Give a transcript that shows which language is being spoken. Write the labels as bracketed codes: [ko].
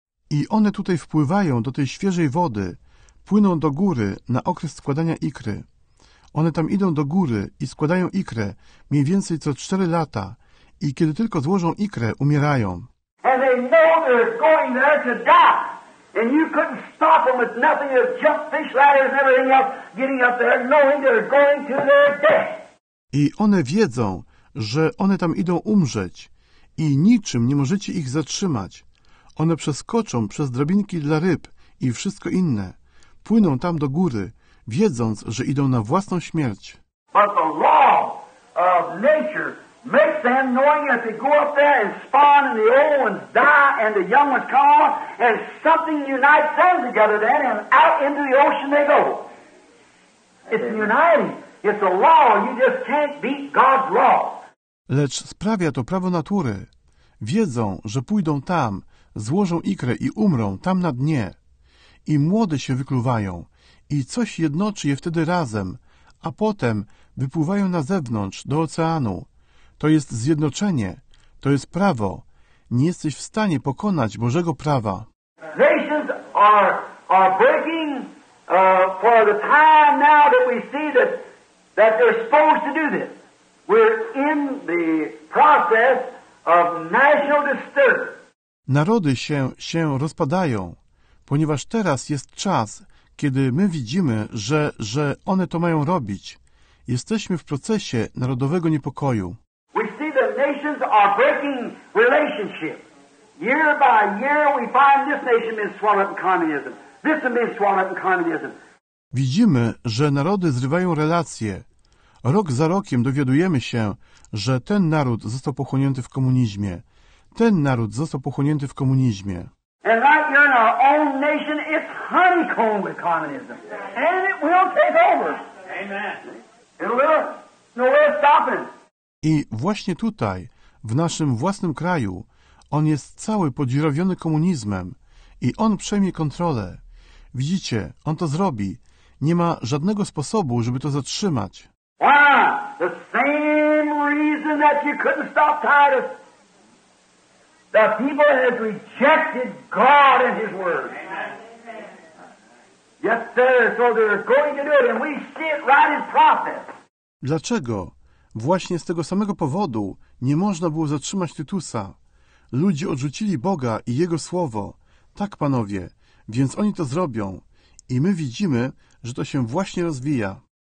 [pl] I one tutaj wpływają do tej świeżej wody, płyną do góry na okres składania ikry. One tam idą do góry i składają ikrę mniej więcej co 4 lata i kiedy tylko złożą ikrę, umierają. [en] And they know they're going there to die. And you couldn't stop them with nothing, you jump fish ladders and everything else, getting up there, knowing they're going to their death. [pl] I one wiedzą, że one tam idą umrzeć i niczym nie możecie ich zatrzymać. One przeskoczą przez drabinki dla ryb i wszystko inne. Płyną tam do góry, wiedząc, że idą na własną śmierć. [en] But the law of nature makes them knowing that they go up there and spawn and the old ones die and the young ones come on and something unites them together then and out into the ocean they go. It's uniting. It's a law. You just can't beat God's law. [pl] Lecz sprawia to prawo natury. Wiedzą, że pójdą tam, złożą ikrę i umrą tam na dnie. I młode się wykluwają i coś jednoczy je wtedy razem, a potem wypływają na zewnątrz do oceanu. To jest zjednoczenie, to jest prawo, nie jesteś w stanie pokonać Bożego prawa. [en] Nations are breaking for the time now that we see that they're supposed to do this. We're in the process of national disturbance. [pl] Narody się rozpadają, ponieważ teraz jest czas, kiedy my widzimy, że one to mają robić. Jesteśmy w procesie narodowego niepokoju. [en] We see that nations are breaking relationships. Year by year we find this nation being swallowed up in communism. This one being swallowed up in communism. [pl] Widzimy, że narody zrywają relacje. Rok za rokiem dowiadujemy się, że ten naród został pochłonięty w komunizmie. Ten naród został pochłonięty w komunizmie. [en] And right here in our own nation, it's honeycombed with communism. And it will take over. Amen. It will. No way of stopping. [pl] I właśnie tutaj, w naszym własnym kraju, on jest cały podziurawiony komunizmem i on przejmie kontrolę. Widzicie, on to zrobi. Nie ma żadnego sposobu, żeby to zatrzymać. [en] Why? The same reason that you couldn't stop Titus. The people has rejected God and His Word. Amen. Yes, sir. So they're going to do it, and we see it right in process. [pl] Dlaczego? Właśnie z tego samego powodu nie można było zatrzymać Tytusa. Ludzie odrzucili Boga i Jego słowo. Tak, panowie, więc oni to zrobią. I my widzimy, że to się właśnie rozwija.